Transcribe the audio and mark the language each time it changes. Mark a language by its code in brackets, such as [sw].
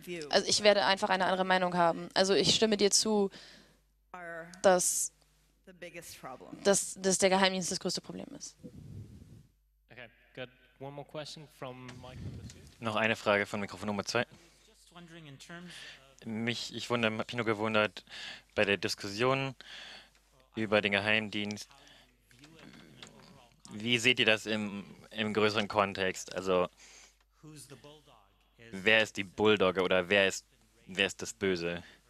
[de] Also ich werde einfach eine andere Meinung haben. Also ich stimme dir zu, dass der Geheimdienst das größte Problem ist. [en] Okay, got one more question from mic number two. [de] Noch eine Frage von Mikrofon Nummer 2. Ich habe mich nur gewundert, bei der Diskussion über den Geheimdienst, wie seht ihr das im größeren Kontext? Also, wer ist die Bulldogge oder wer ist das Böse?